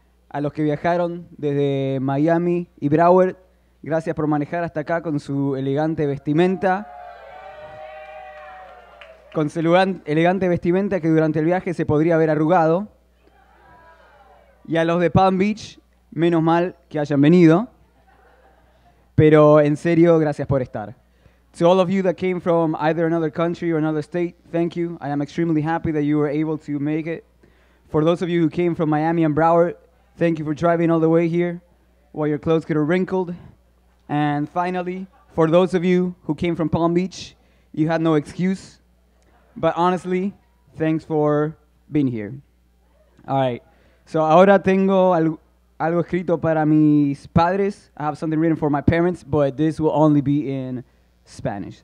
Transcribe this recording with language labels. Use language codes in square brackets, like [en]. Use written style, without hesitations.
[es] A los que viajaron desde Miami y Broward, gracias por manejar hasta acá con su elegante vestimenta. Con su elegante vestimenta que durante el viaje se podría haber arrugado. Y a los de Palm Beach, menos mal que hayan venido. Pero en serio, gracias por estar. [en] To all of you that came from either another country or another state, thank you. I am extremely happy that you were able to make it. For those of you who came from Miami and Broward, thank you for driving all the way here while your clothes get wrinkled. And finally, for those of you who came from Palm Beach, you had no excuse. But honestly, thanks for being here. All right. [es] So ahora tengo algo escrito para mis padres. [en] I have something written for my parents, but this will only be in Spanish.